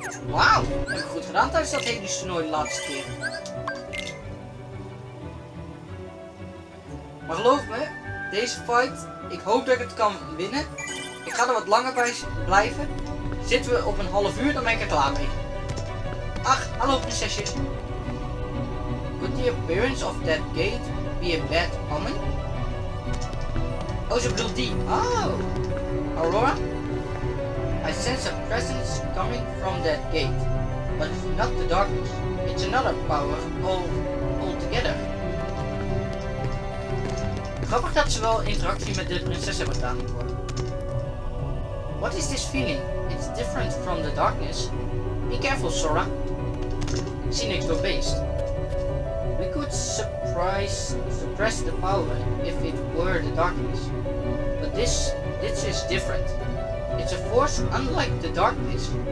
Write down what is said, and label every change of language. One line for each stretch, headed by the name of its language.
Dutch: Wauw, heb ik goed gedaan tijdens dat hele toernooi de laatste keer. Maar geloof me, deze fight, ik hoop dat ik het kan winnen. Ik ga er wat langer bij blijven. Zitten we op een half uur, dan ben ik er klaar mee. Ach, hallo prinsesje.
English: Could the appearance of that gate be a bad omen?
Dutch: Oh, ze bedoelt die.
English: Oh, Aurora. I sense a presence coming from that gate. But it's not the darkness. It's another power altogether.
Dutch: Grappig dat ze wel interactie met de prinses hebben gedaan.
English: What is this feeling? It's different from the darkness. Be careful, Sora. See next door beast. We could suppress the power if it were the darkness. But this is different. It's a force unlike the darkness.